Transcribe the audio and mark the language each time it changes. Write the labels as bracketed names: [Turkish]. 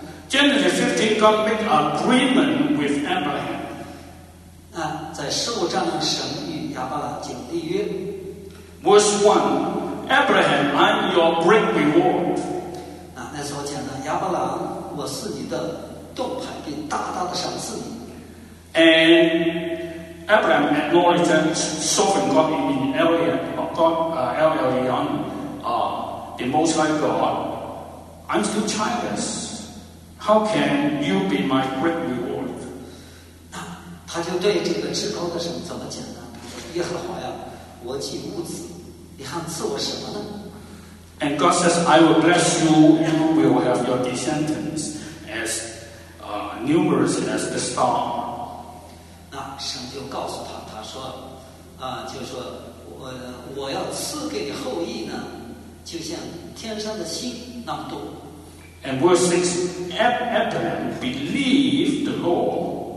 [English] Genesis 15, God made an agreement with Abraham. [Chinese] 啊，在十五章呢，神与亚伯拉罕立约。 [English] Verse 1, Abraham, I'm your great reward. [Chinese] 那时候讲的亚伯拉，我是你的盾牌，并大大的赏赐你。 [English] And Abraham acknowledged that sovereign God in El Elyon, the Most High God, I'm still childless. How can you be my great reward? [Chinese] 那他就对这个至高的神怎么讲呢？耶和华呀，我既无子。你还赐我什么呢？ [English] And God says, "I will bless you, and will have your descendants as numerous as the star." [Chinese] 那神就告诉他，他说，就说我要赐给你后裔呢，就像天上的星那么多。 [English] And verse 6, Abraham believed the Lord.